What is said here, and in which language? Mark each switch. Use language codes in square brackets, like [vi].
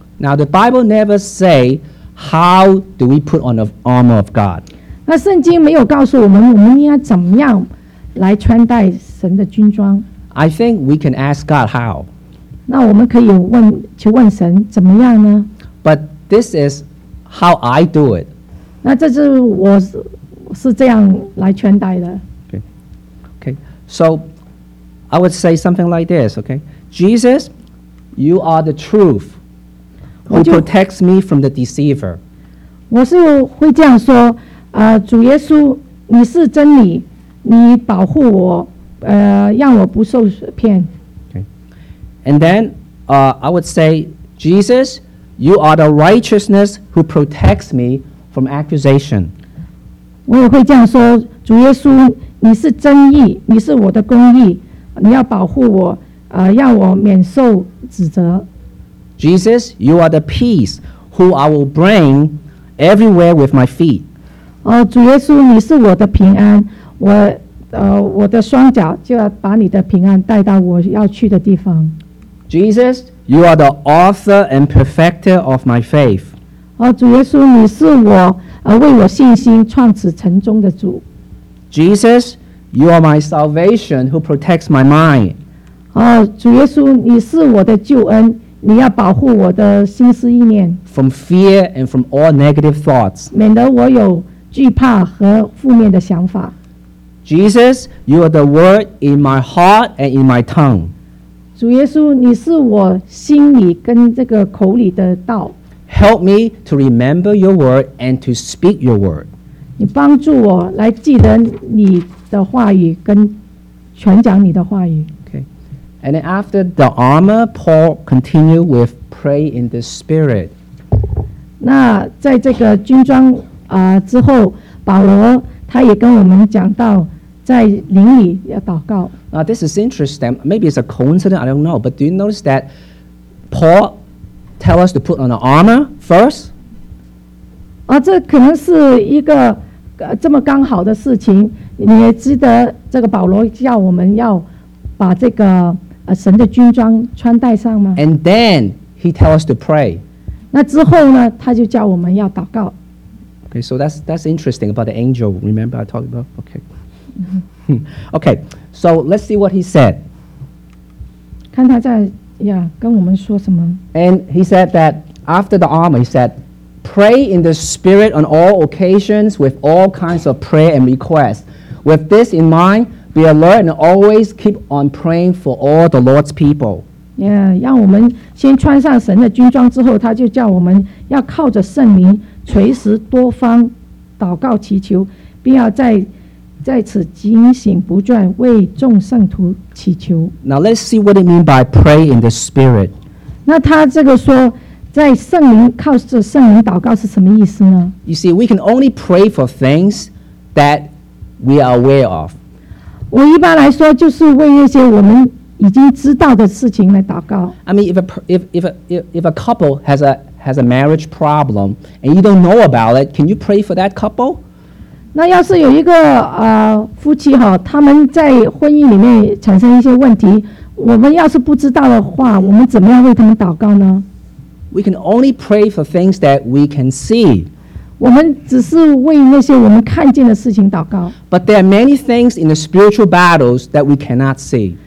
[en] Now the Bible never say how do we put on the armor of God. [zh] 那圣经没有告诉我们，我们应该怎么样来穿戴神的军装。 [en] I think we can ask God how. [zh] 那我们可以去问神怎么样呢？ [en] But this is how I do it. [zh] 那这是我是这样来穿戴的。 [en] Okay. So. I would say something like this, okay? Jesus, you are the truth who protects me from the deceiver. [zh] 我是会这样说，主耶稣，你是真理，你保护我，让我不受骗。 [en] Okay. And then, I would say, Jesus, you are the righteousness who protects me from accusation. [zh] 我也会这样说，主耶稣，你是真义，你是我的公义。你要保护我，让我免受指责。 [en] Jesus, you are the peace who I will bring everywhere with my feet. [zh] 主耶稣，你是我的平安，我我的双脚就要把你的平安带到我要去的地方。 [en] Jesus, you are the author and perfecter of my faith. [zh] 哦，主耶稣，你是我为我信心创始成终的主。 [en] Jesus, you are my salvation who protects my mind. [zh] 哦，主耶稣，你是我的救恩，你要保护我的心思意念。 [en] From fear and from all negative thoughts. [zh] 免得我有惧怕和负面的想法。 [en] Jesus, you are the word in my heart and in my tongue. [zh] 主耶稣，你是我心里跟这个口里的道。 [en] Help me to remember your word and to speak your word. [zh] 你帮助我来记得你的话语跟传讲你的话语。 [en] Okay. And then after the armor, Paul continued with pray in the spirit. [zh] 那在这个军装之后，保罗他也跟我们讲到在灵里要祷告。 [en] Now this is interesting. Maybe it's a coincidence. I don't know. But do you notice that Paul tell us to put on the armor first? [zh] 啊，这可能是一个这么刚好的事情。你也记得这个保罗叫我们要把这个神的军装穿戴上吗 [en] ？And then he tell us to pray. [zh] 那之后呢，他就叫我们要祷告。 [en] Okay, so that's interesting about the angel. Remember I talked about? Okay. Okay, so let's see what he said. [zh] 看他在呀，跟我们说什么。 [en] And he said that after the armor, he said, pray in the spirit on all occasions with all kinds of prayer and requests. With this in mind, be alert and always keep on praying for all the Lord's people. [zh] Yeah, 让我们先穿上神的军装之后，他就叫我们要靠着圣灵随时多方祷告祈求，并要在此警醒不倦为众圣徒祈求。 [en] Now let's see what it means by pray in the spirit. [zh] 那他这个说在圣灵靠着圣灵祷告是什么意思呢 [en] ？You see, we can only pray for things that we are aware of. [zh] 我一般来说就是为那些我们已经知道的事情来祷告。 [en] I mean, if a couple has a marriage problem and you don't know about it, can you pray for that couple? [zh] 那要是有一个夫妻哈，他们在婚姻里面产生一些问题，我们要是不知道的话，我们怎么样为他们祷告呢 [en] ？We can only pray for things that we can see. [zh] 我们只是为那些我们看见的事情祷告。 [en] But there are many things in the spiritual battles that we cannot see.